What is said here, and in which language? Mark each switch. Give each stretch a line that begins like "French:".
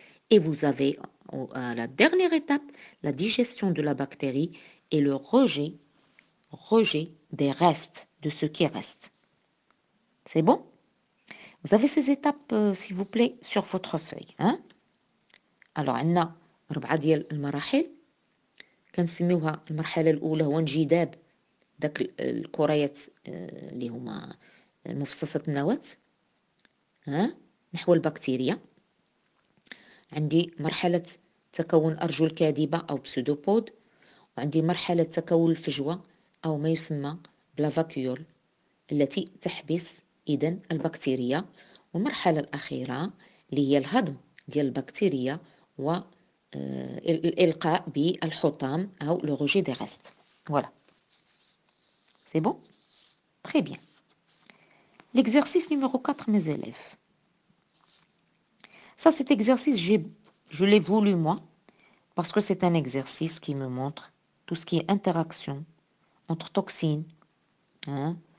French: Et vous avez la dernière étape, la digestion de la bactérie et le rejet des restes, de ce qui reste. C'est bon? Vous avez ces étapes, s'il vous plaît, sur votre feuille. Hein? Alors, on a 4
Arabic: ديال المراحل. كنسميوها المرحلة الأولى هو انجذاب داك الكريات اللي هما مفصصة النواة نحو البكتيريا. عندي مرحلة تكون أرجل كاذبة أو بسودوبود. وعندي مرحلة تكون الفجوة أو ما يسمى بلافاكيول التي تحبس إذن البكتيريا. ومرحلة الأخيرة اللي هي الهضم ديال البكتيريا والإلقاء بالحطام أو لغجي دي غست.
French: Voilà. C'est bon? Très bien. L'exercice numéro 4, mes élèves. Ça, cet exercice, je l'ai voulu moi parce que c'est un exercice qui me montre tout ce qui est interaction entre toxines. Hein?